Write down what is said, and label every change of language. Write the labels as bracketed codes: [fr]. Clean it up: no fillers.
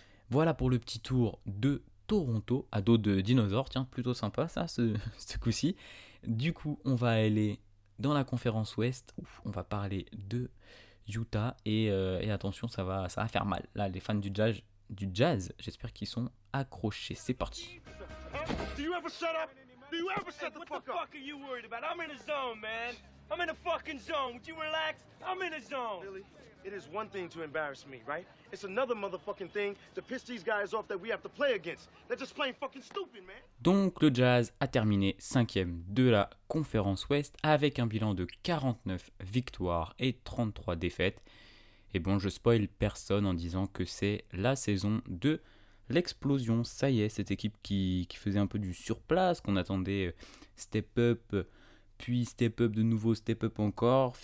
[fr] Voilà pour le petit tour de Toronto, à dos de dinosaures, tiens, plutôt sympa ça, ce coup-ci. Du coup, on va aller dans la conférence Ouest, on va parler de Utah et attention, ça va faire mal. Là, les fans du jazz, j'espère qu'ils sont accrochés. C'est parti. [en] Do you ever shut up? Do you ever shut the fuck up? What the fuck are you worried about? I'm in a zone, man. I'm in a fucking zone. Would you relax? I'm in a zone. Really? It is one thing to embarrass me, right? It's another motherfucking thing to piss these guys off that we have to play against. They're just playing fucking stupid, man. [fr] Donc le Jazz a terminé 5e de la conférence Ouest avec un bilan de 49 victoires et 33 défaites. Et bon, je spoil personne en disant que c'est la saison de l'explosion. Ça y est, cette équipe qui faisait un peu du surplace, qu'on attendait step up, puis step up de nouveau, step up encore.